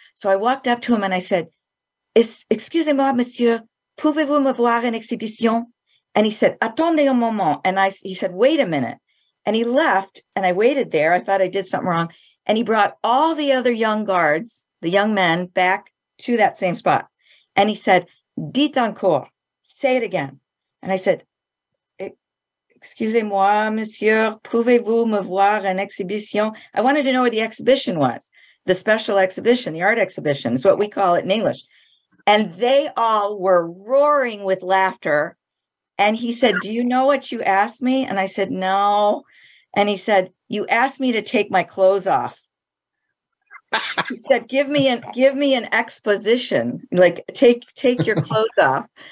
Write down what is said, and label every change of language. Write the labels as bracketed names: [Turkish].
[English] So I walked up to him and I said, [French] excusez-moi, monsieur, pouvez-vous me voir une exhibition? [English] And he said, [French] attendez un moment. [English] And he said, wait a minute. And he left and I waited there. I thought I did something wrong. And he brought all the other young guards, the young men, back to that same spot. And he said, [French] dites encore, [English] say it again. And I said, [French] excusez-moi, monsieur, pouvez-vous me voir une exhibition? [English] I wanted to know where the exhibition was, the special exhibition, the art exhibition is what we call it in English. And they all were roaring with laughter. And he said, do you know what you asked me? And I said, no. And he said, you asked me to take my clothes off. He said, give me an exposition, like take your clothes off.